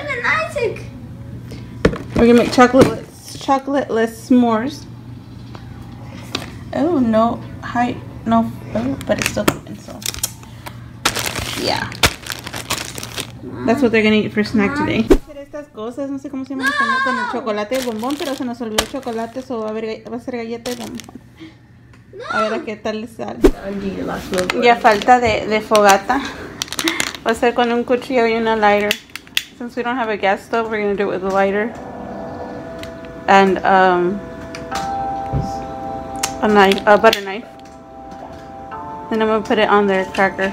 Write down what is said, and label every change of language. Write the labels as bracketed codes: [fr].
[en] Closer than Isaac. We're gonna make chocolate-less s'mores. Oh, no height, no, oh, but it's still coming, so. Yeah. That's what they're gonna eat for snack today. [es] Estas cosas, no sé cómo se llama en español, con chocolate y bombón, pero se nos olvidó chocolate, so va a ser galleta y bombón. A ver a qué tal le sale. Y a falta de fogata, va a ser con un cuchillo y una lighter. [en] Since we don't have a gas stove, we're gonna do it with a lighter. And a knife, a butter knife. Then I'm gonna put it on their crackers.